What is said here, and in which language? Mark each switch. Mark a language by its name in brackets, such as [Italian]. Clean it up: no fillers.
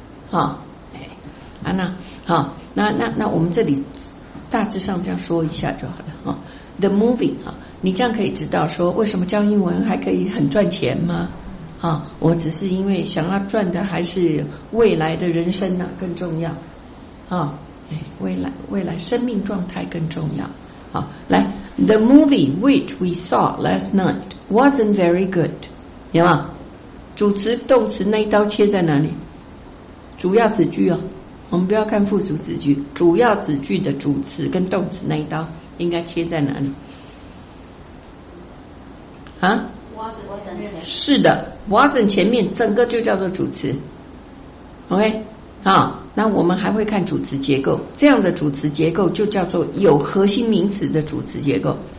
[Chinese] 好，哎，啊那好，那我们这里大致上这样说一下就好了哈。 [English] The moving [Chinese] 哈，你这样可以知道说为什么教英文还可以很赚钱吗？啊，我只是因为想要赚的还是未来的人生呢、啊、更重要，啊，未来生命状态更重要。好，来 [English] ，The movie which we saw last night wasn't very good， [Chinese] 有吗？主词、动词那一刀切在哪里？主要子句哦，我们不要看附属子句，主要子句的主词跟动词那一刀应该切在哪里？啊？是的 ，wasn't 前面整个就叫做主词 ，OK， 好，那我们还会看主词结构，这样的主词结构就叫做有核心名词的主词结构。